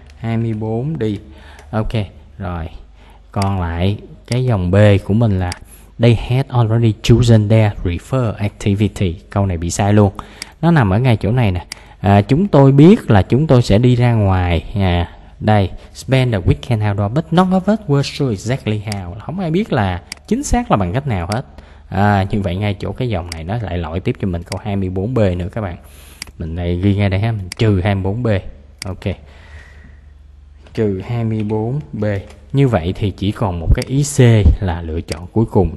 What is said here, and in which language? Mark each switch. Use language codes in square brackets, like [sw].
[vi] 24 đi. Ok, rồi. Còn lại cái dòng B của mình là [en] they had already chosen their refer activity. [vi] Câu này bị sai luôn. Nó nằm ở ngay chỗ này nè. Chúng tôi biết là chúng tôi sẽ đi ra ngoài. Đây, [en] spend the weekend outdoor, but none of us were sure exactly how. [vi] Không ai biết là chính xác là bằng cách nào hết. Như vậy ngay chỗ cái dòng này nó lại lỗi tiếp cho mình câu 24B nữa các bạn. Mình lại ghi ngay đây ha, mình trừ 24B. Ok, trừ 24B. Như vậy thì chỉ còn một cái ý C là lựa chọn cuối cùng.